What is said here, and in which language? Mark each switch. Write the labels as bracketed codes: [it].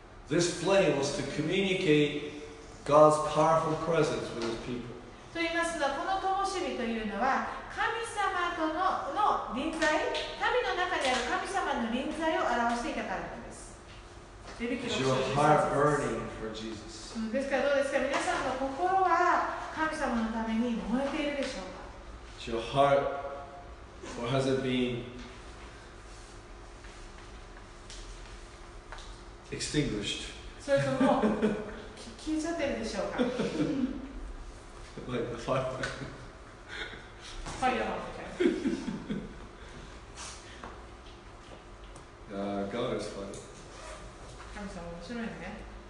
[en] This flame was to communicate God's powerful presence with his people. [ja] と言いますのは、この灯火というのは、神様との、の臨在、民の中である神様の臨在を表していたからです。レビ記の6章13節。 [en] Your heart burning for Jesus. [ja] ですからどうですか、皆さんの心は神様のために燃えているでしょうか。 [en] Is your heart, or has it been extinguished? [ja] それとも消えちゃってるでしょうか。 [en] Like the fire. Fire. God is fire. [ja] 神様面白いね。